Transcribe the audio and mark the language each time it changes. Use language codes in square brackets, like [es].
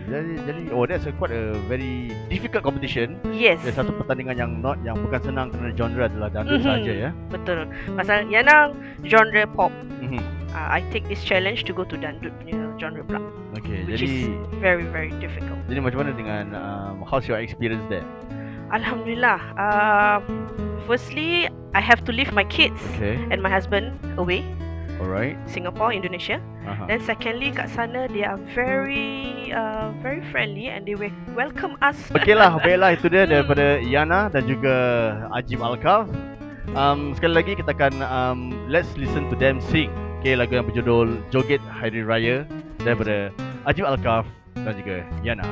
[ms] jadi, [en] oh, that's quite a very difficult competition. Yes. [ms] Ada satu pertandingan yang bukan senang kerana genre adalah dandut saja, ya. Betul. Pasal [en] Yana genre pop. I take this challenge to go to dandut [ms] punya genre pula. [en] Okay, which [ms] jadi [en] is very, very difficult. [ms] Jadi macam mana dengan, [en] how's your experience there? Alhamdulillah. Firstly, I have to leave my kids and my husband away. Alright. Singapore, Indonesia. Uh-huh. Then secondly, [ms] kat sana [en] they are very friendly and they welcome us. [ms] Okay lah, baiklah, itu dia daripada Yana dan juga Ajib Alkaf. Sekali lagi kita akan [en] let's listen to them sing. [ms] Okay, lagu yang berjudul Joget Hari Raya daripada Ajib Alkaf dan juga Yana.